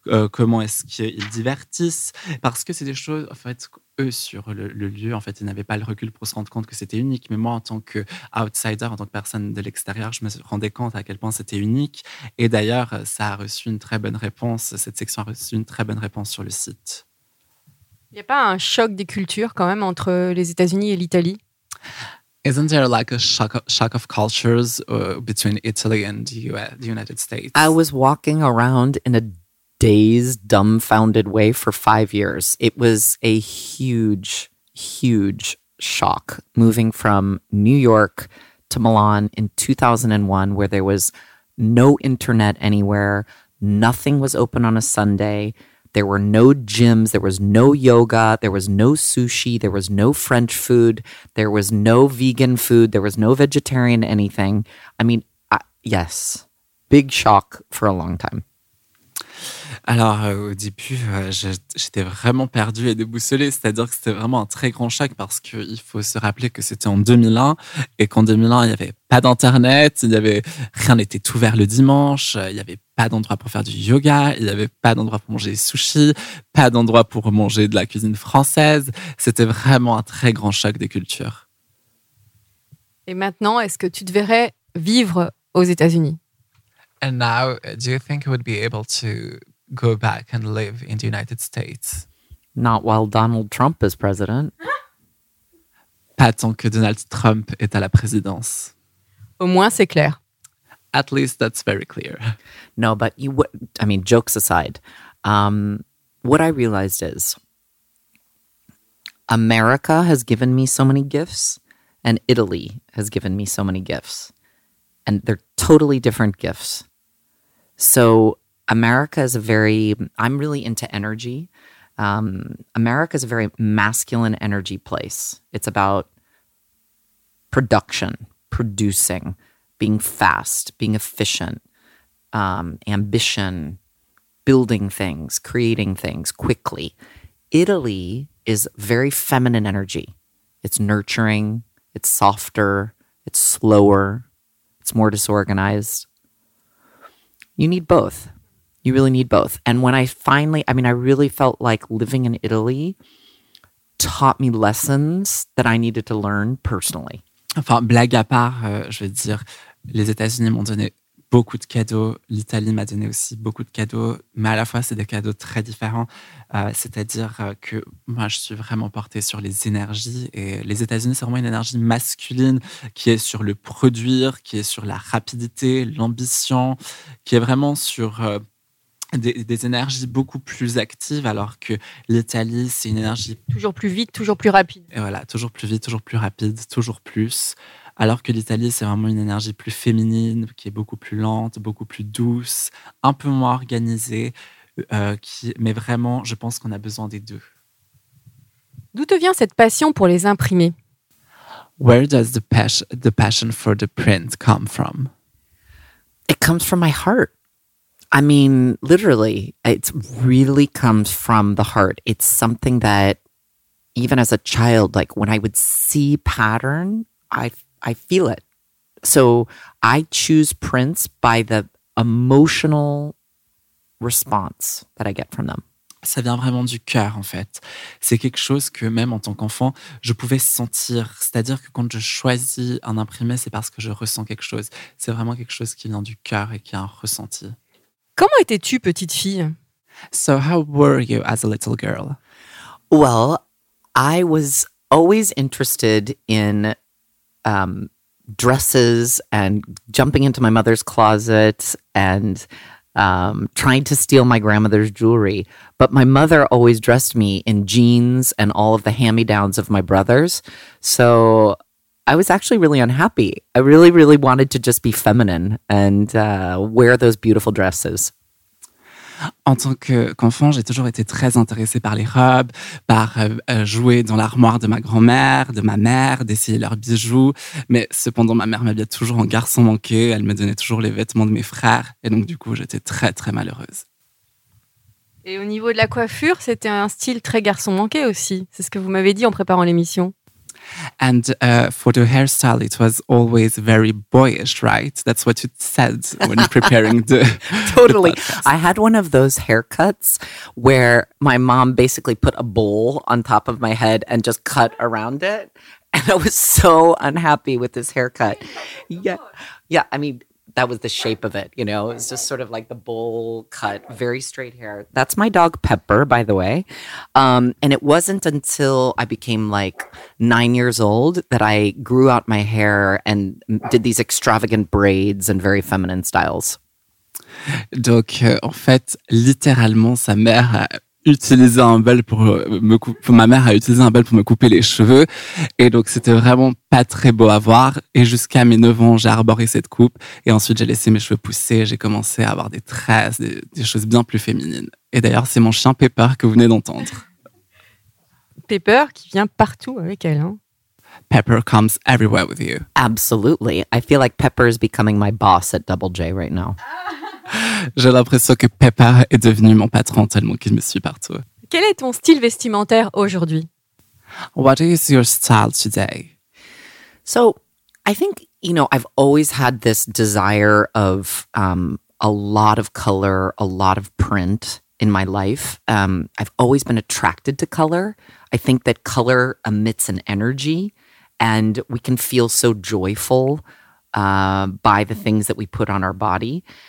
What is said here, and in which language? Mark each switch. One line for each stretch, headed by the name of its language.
French: comment est-ce qu'ils divertissent, parce que c'est des choses, en fait, eux, sur le lieu, en fait, ils n'avaient pas le recul pour se rendre compte que c'était unique, mais moi, en tant qu'outsider, en tant que personne de l'extérieur, je me rendais compte à quel point c'était unique, et d'ailleurs, ça a reçu une très bonne réponse, cette section a reçu une très bonne réponse sur le site. Il n'y a pas un choc des cultures, quand même, entre les États-Unis et l'Italie?
English: Isn't there like a shock of cultures between Italy and the United States? I was walking around in a dazed, dumbfounded way for 5 years. It was a huge, huge shock moving from New York to Milan in 2001, where there was no internet anywhere. Nothing was open on a Sunday. There were no gyms, there was no yoga, there was no sushi, there was no French food, there was no vegan food, there was no vegetarian anything. I mean, yes, big shock for a long time.
French: Alors, au début, j'étais vraiment perdue et déboussolée. C'est-à-dire que c'était vraiment un très grand choc parce qu'il faut se rappeler que c'était en 2001 et qu'en 2001, il n'y avait pas d'Internet, rien n'était ouvert le dimanche, il n'y avait pas d'endroit pour faire du yoga, il n'y avait pas d'endroit pour manger des sushis, pas d'endroit pour manger de la cuisine française. C'était vraiment un très grand choc des cultures. Et maintenant, est-ce que tu te verrais vivre aux États-Unis?
English: And now, do you think you would be able to go back and live in the United States? Not while Donald Trump is president.
French: Pas tant que Donald Trump est à la présidence. Au moins, c'est clair.
English: At least that's very clear. No, but you would, I mean, jokes aside, what I realized is America has given me so many gifts and Italy has given me so many gifts. And they're totally different gifts. So America is a very, I'm really into energy. America is a very masculine energy place. It's about production, producing, being fast, being efficient, ambition, building things, creating things quickly. Italy is very feminine energy. It's nurturing, it's softer, it's slower, it's more disorganized. You need both. You really need both. And when I finally, I mean, I really felt like living in Italy taught me lessons that I needed to learn personally.
French: Enfin, blague à part, je veux dire, les États-Unis m'ont donné beaucoup de cadeaux. L'Italie m'a donné aussi beaucoup de cadeaux. Mais à la fois, c'est des cadeaux très différents. C'est-à-dire que moi, je suis vraiment portée sur les énergies. Et les États-Unis, c'est vraiment une énergie masculine qui est sur le produire, qui est sur la rapidité, l'ambition, qui est vraiment sur des énergies beaucoup plus actives, alors que l'Italie, c'est une énergie... Toujours plus vite, toujours plus rapide. Et voilà, toujours plus vite, toujours plus rapide, toujours plus... Alors que l'Italie, c'est vraiment une énergie plus féminine, qui est beaucoup plus lente, beaucoup plus douce, un peu moins organisée. Mais vraiment, je pense qu'on a besoin des deux. D'où te vient cette passion pour les imprimés?
English: Where does the passion for the print come from? It comes from my heart. I mean, literally, it really comes from the heart. It's something that, even as a child, like when I would see pattern, I feel it. So I choose prints by the emotional response that I get from them.
French: Ça vient vraiment du cœur, en fait. C'est quelque chose que même en tant qu'enfant, je pouvais sentir. C'est-à-dire que quand je choisis un imprimé, c'est parce que je ressens quelque chose. C'est vraiment quelque chose qui vient du cœur et qui a un ressenti. Comment étais-tu, petite fille?
English: So how were you as a little girl? Well, I was always interested in dresses and jumping into my mother's closet and trying to steal my grandmother's jewelry. But my mother always dressed me in jeans and all of the hand-me-downs of my brothers. So I was actually really unhappy. I really, really wanted to just be feminine and wear those beautiful dresses.
French: En tant qu'enfant, j'ai toujours été très intéressée par les robes, par jouer dans l'armoire de ma grand-mère, de ma mère, d'essayer leurs bijoux. Mais cependant, ma mère m'habillait toujours en garçon manqué. Elle me donnait toujours les vêtements de mes frères. Et donc, du coup, j'étais très, très malheureuse. Et au niveau de la coiffure, c'était un style très garçon manqué aussi. C'est ce que vous m'avez dit en préparant l'émission.
English: And for the hairstyle, it was always very boyish, right? That's what you said when preparing the Totally. The I had one of those haircuts where my mom basically put a bowl on top of my head and just cut around it. And I was so unhappy with this haircut. Yeah. I mean, that was the shape of it, you know? It was just sort of like the bowl cut, very straight hair. That's my dog Pepper, by the way. And it wasn't until I became like 9 years old that I grew out my hair and did these extravagant braids and very feminine styles.
French: Donc, en fait, littéralement, sa mère a utilisé un bel pour me couper, ma mère a utilisé un bel pour me couper les cheveux. Et donc, c'était vraiment pas très beau à voir. Et jusqu'à mes 9 ans, j'ai arboré cette coupe. Et ensuite, j'ai laissé mes cheveux pousser. J'ai commencé à avoir des tresses, des choses bien plus féminines. Et d'ailleurs, c'est mon chien Pepper que vous venez d'entendre. Pepper qui vient partout avec elle. Hein?
English: Pepper comes everywhere with you. Absolutely. I feel like Pepper is becoming my boss at Double J right now.
French: J'ai l'impression que Pepper est devenu mon patron tellement qu'il me suit partout. Quel est ton style vestimentaire aujourd'hui?
English: What is your style today? So, I think, you know, I've always had this desire of a lot of color, a lot of print in my life. I've always been attracted to color. I think that color emits an energy, and we can feel so joyful by the things that we put on our body.